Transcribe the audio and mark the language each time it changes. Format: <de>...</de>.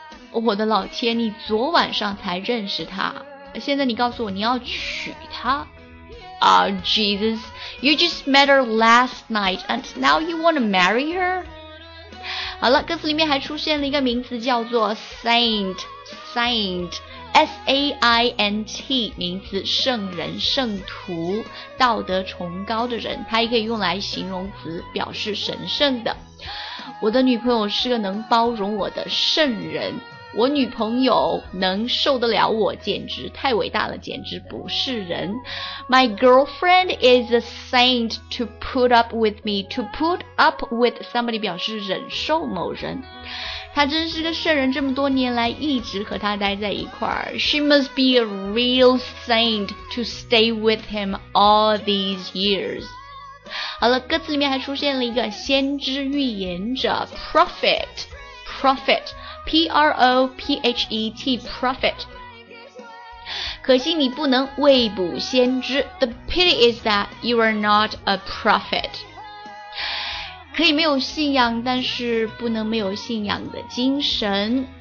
<zh>我的老天，你昨晚上才认识他，现在你告诉我你要娶他。</zh> <en>Jesus, you just met her last night and now you want to marry her?</en> <zh>好了，歌词里面还出现了一个名词叫做 saint,S-A-I-N-T, 名词圣人、圣徒、道德崇高的人，它也可以用来形容词，表示神圣的。我的女朋友是个能包容我的圣人，我女朋友能受得了我，简直太伟大了，简直不是人。</zh> <en>My girlfriend is a saint to put up with me.</en> <zh>To put up with somebody 表示忍受某人。她真是个圣人，这么多年来一直和她待在一块儿。</zh> <en>She must be a real saint to stay with him all these years.</en> <zh>好了，歌词里面还出现了一个先知预言者 prophet, P-R-O-P-H-E-T, prophet. 可惜你不能未卜先知。</zh> <en>The pity is that you are not a prophet.</en> <zh>可以没有信仰，但是不能没有信仰的精神。</zh>